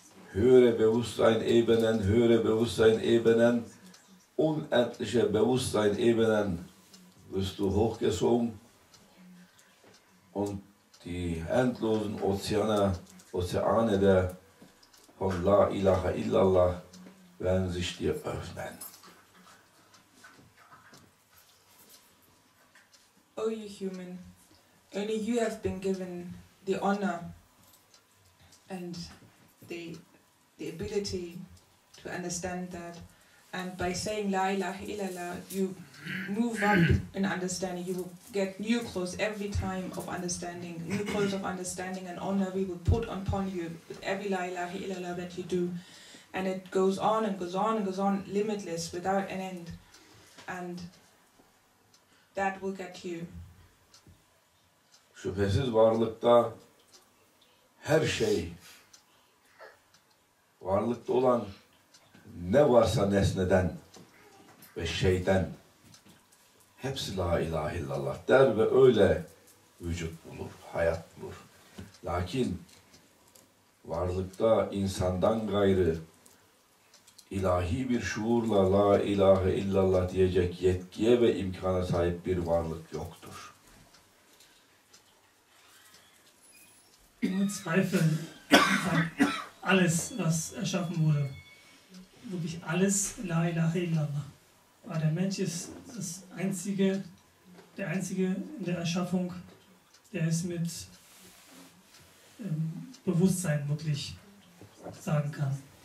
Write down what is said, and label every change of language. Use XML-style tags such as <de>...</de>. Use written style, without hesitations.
<de>Höhere Bewusstseinebenen, höhere Bewusstseinebenen, unendliche Bewusstseinebenen wirst du hochgezogen und die endlosen Ozeane der von La ilaha illallah werden sich dir öffnen.</de> <en>O you human, only you have been given the honor and the ability to understand that. And by saying La ilaha illallah, you move up in understanding. You will get new clothes every time of understanding, new clothes of understanding and honor we will put upon you with every La ilaha illallah that you do. And it goes on and goes on and goes on, limitless, without an end. And that will get you.</en> <tr>Şüphesiz varlıkta her şey, varlıkta olan ne varsa nesneden ve şeyden hepsi La ilahe illallah der ve öyle vücut bulur, hayat bulur. Lakin varlıkta insandan gayrı ilahi bir şuurla La ilahe illallah diyecek yetkiye ve imkana sahip bir varlık yoktur.</tr> <de>Nur Zweifel an alles, was erschaffen wurde. Wirklich alles La ilaha illallah. Aber der Mensch ist das Einzige, der Einzige in der Erschaffung, der es mit Bewusstsein wirklich sagen kann.</de>